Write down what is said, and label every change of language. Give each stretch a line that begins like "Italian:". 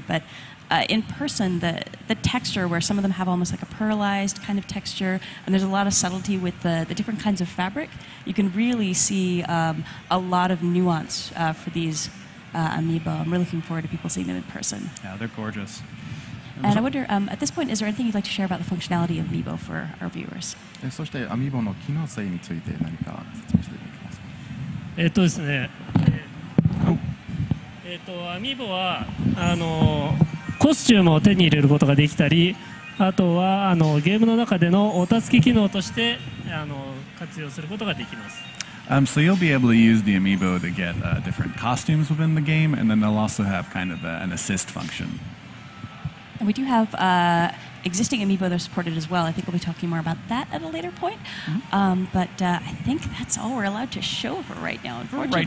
English: But in person, the texture, where some of them have almost like a pearlized kind of texture, and there's a lot of subtlety with the different kinds of fabric, you can really see a lot of nuance for these amiibo. I'm really looking forward to people seeing them in person. Yeah, they're gorgeous. And I wonder, at this point, is there anything you'd like to share about the functionality of Amiibo for our viewers?
Japanese: そして、アミーボの機能性について何か説明していただけますか？ですね、アミーボは、コスチュームを手に入れることができたり、あとは、ゲームの中でのお助け機能として、活用することができます。
English: So you'll be able to use the Amiibo to get different costumes within the game, and then they'll also have kind of an assist function. And we do have existing Amiibo that are supported as well. I think we'll be talking more about that at a later point. Mm-hmm. But I think that's all we're allowed to show for right now, unfortunately.